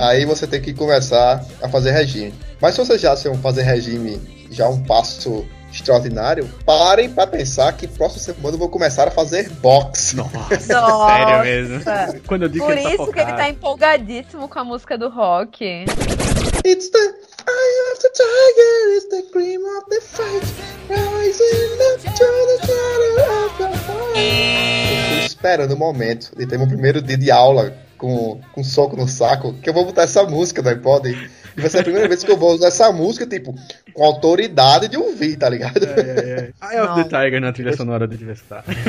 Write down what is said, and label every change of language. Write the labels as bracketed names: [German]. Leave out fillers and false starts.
[Portuguese] Aí você tem que começar a fazer regime. Mas se você já se fazer regime, já um passo extraordinário, parem pra pensar que próxima semana eu vou começar a fazer boxe. Nossa, sério mesmo? Quando eu digo por que isso tá que ele tá empolgadíssimo com a música do rock. [English] It's the eye of the tiger, it's the cream of the fight, rising up to the shadow of the fight. [Portuguese] Eu tô esperando o momento de ter meu primeiro dia de aula com soco no saco, que eu vou botar essa música no iPod. E vai ser a primeira vez que eu vou usar essa música, tipo, com autoridade de ouvir, tá ligado? Eye of the Tiger na trilha sonora do Diversitar.